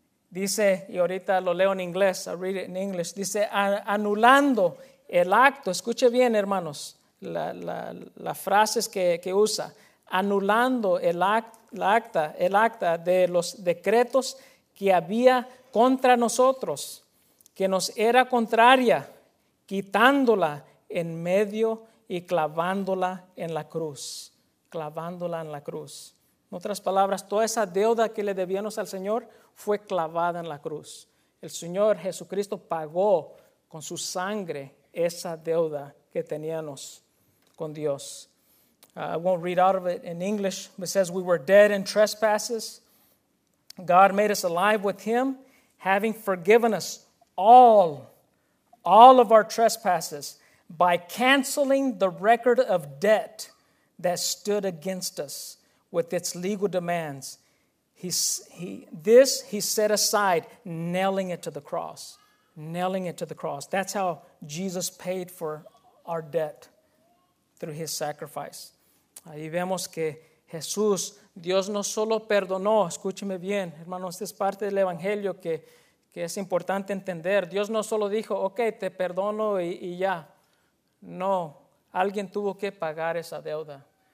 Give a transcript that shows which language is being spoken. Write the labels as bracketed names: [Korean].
[Spanish] Dice, y ahorita lo leo en inglés, [English] I read it in English, [Spanish] dice: anulando el acto, escuche bien, hermanos, la frases que usa, anulando el acta de los decretos que había contra nosotros, que nos era contraria, quitándola en medio y clavándola en la cruz. Clavándola en la cruz. En otras palabras, toda esa deuda que le debíamos al Señor fue clavada en la cruz. El Señor Jesucristo pagó con su sangre esa deuda que teníamos con Dios. [English] I won't read out of it in English, but it says: we were dead in trespasses. God made us alive with Him, having forgiven us all of our trespasses by canceling the record of debt that stood against us with its legal demands. He set aside, nailing it to the cross. That's how Jesus paid for our debt, through His sacrifice. [Spanish] Ahí vemos que Jesús, Dios no solo perdonó, escúcheme bien, hermanos, esta es parte del Evangelio que es importante entender. Dios no solo dijo: ok, te perdono y ya. No, alguien tuvo que pagar esa deuda.